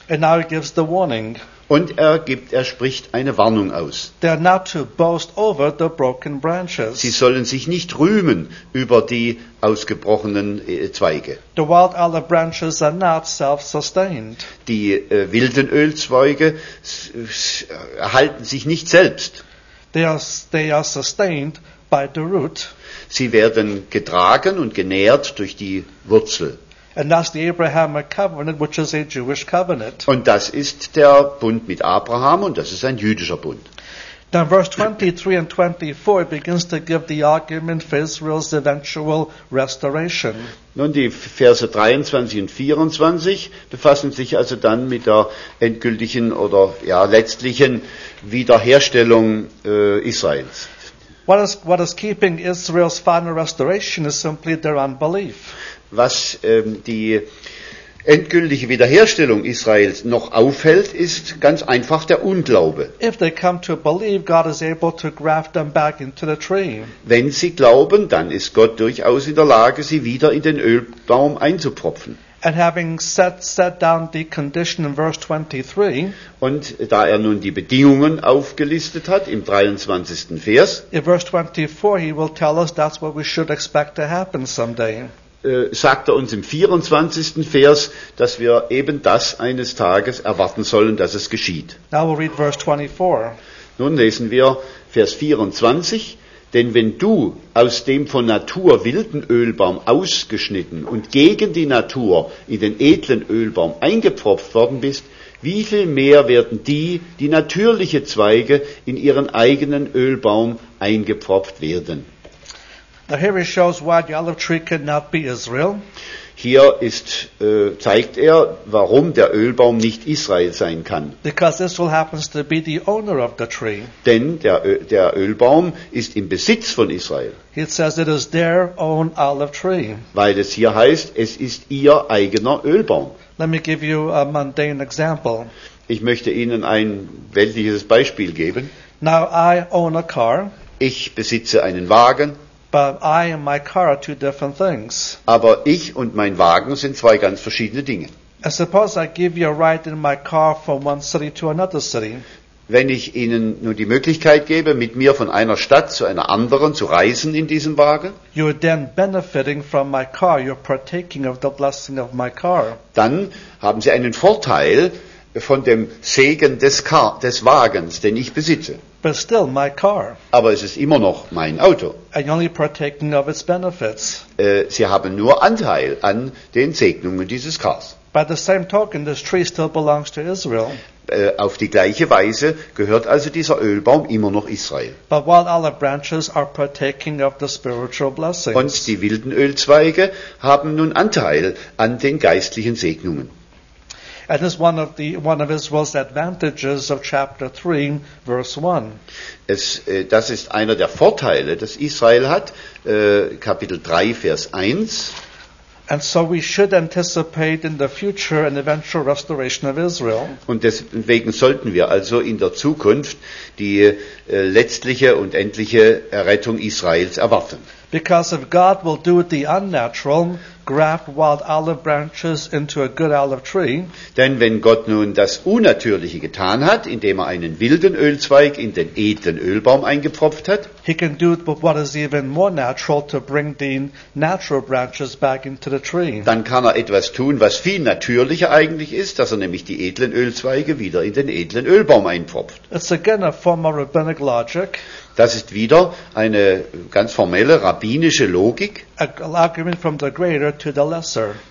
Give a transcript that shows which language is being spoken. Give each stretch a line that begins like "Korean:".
English: And now he gives the warning.
German: Und er spricht eine Warnung aus.
English: They are not to boast over the broken branches.
German: Sie sollen sich nicht rühmen über die ausgebrochenen Zweige.
English: The wild olive branches are not self-sustained.
German: Die wilden Ölzweige erhalten sich nicht selbst.
English: They are sustained by the root.
German: Sie werden getragen und genährt durch die Wurzel.
English: And that's the Abrahamic covenant, which is a Jewish covenant.
German: Und das ist der Bund mit Abraham und das ist ein jüdischer Bund.
English: Then verse 23 and 24 begins to give the argument for Israel's eventual restoration.
German: Nun, die Verse 23 und 24 befassen sich also dann mit der endgültigen oder letztlichen Wiederherstellung Israels.
English: What is keeping Israel's final restoration is simply their unbelief.
German: Was die endgültige Wiederherstellung Israels noch aufhält, ist ganz einfach der Unglaube.
English: If they come to believe, God is able to graft them back into the tree.
German: Wenn sie glauben, dann ist Gott durchaus in der Lage, sie wieder in den Ölbaum einzupropfen.
English: And having set down the condition in verse 23.
German: Und da er nun die Bedingungen aufgelistet hat im 23. Vers.
English: In verse 24 he will tell us that's what we should expect to happen someday.
German: Sagt er uns im 24. Vers, dass wir eben das eines Tages erwarten sollen, dass es geschieht.
English: Now we'll read verse 24.
German: Nun lesen wir Vers 24. Denn wenn du aus dem von Natur wilden Ölbaum ausgeschnitten und gegen die Natur in den edlen Ölbaum eingepfropft worden bist, wie viel mehr werden die natürliche Zweige in ihren eigenen Ölbaum eingepfropft werden?
English: Now here he shows why the olive tree could not be Israel.
German: Hier ist zeigt er, warum der Ölbaum nicht Israel sein kann.
English: Because Israel happens to be the owner of the tree.
German: Denn der Ölbaum ist im Besitz von Israel.
English: He says it is their own olive tree.
German: Weil es hier heißt, es ist ihr eigener Ölbaum.
English: Let me give you a mundane example.
German: Ich möchte Ihnen ein weltliches Beispiel geben.
English: Now I own a car.
German: Ich besitze einen Wagen.
English: But I and my car are two different things.
German: Aber ich und mein Wagen sind zwei ganz verschiedene Dinge.
English: I suppose I give you a ride in my car from one city to another city.
German: Wenn ich Ihnen nun die Möglichkeit gebe, mit mir von einer Stadt zu einer anderen zu reisen in diesem Wagen,
English: you're then benefiting from my car. You're partaking of the blessing of my car.
German: Dann haben Sie einen Vorteil von dem Segen des Wagens, den ich besitze.
English: But still my car.
German: Aber es ist immer noch mein Auto.
English: And you're only partaking of its benefits.
German: Sie haben nur Anteil an den Segnungen dieses Cars.
English: By the same token, this tree still belongs to Israel.
German: Auf die gleiche Weise gehört also dieser Ölbaum immer noch Israel.
English: But while all the branches are partaking of the spiritual blessings.
German: Und die wilden Ölzweige haben nun Anteil an den geistlichen Segnungen.
English: And this is one of Israel's advantages of chapter 3, verse 1.
German: Das ist einer der Vorteile, das Israel hat, Kapitel 3, Vers 1.
English: And so we should anticipate in the future an eventual restoration of Israel.
German: Und deswegen sollten wir also in der Zukunft die letztliche und endliche Errettung Israels erwarten.
English: Because if God will do the unnatural, graft wild olive branches into a good olive tree.
German: Denn wenn Gott nun das Unnatürliche getan hat, indem er einen wilden Ölzweig in den edlen Ölbaum eingepfropft hat,
English: he can do it with what is even more natural to bring the natural branches back into the tree.
German: Dann kann er etwas tun, was viel natürlicher eigentlich ist, dass er nämlich die edlen Ölzweige wieder in den edlen Ölbaum einpfropft.
English: It's again a form of rabbinic logic.
German: Das ist wieder eine ganz formelle rabbinische Logik.
English: An argument from the greater to the lesser.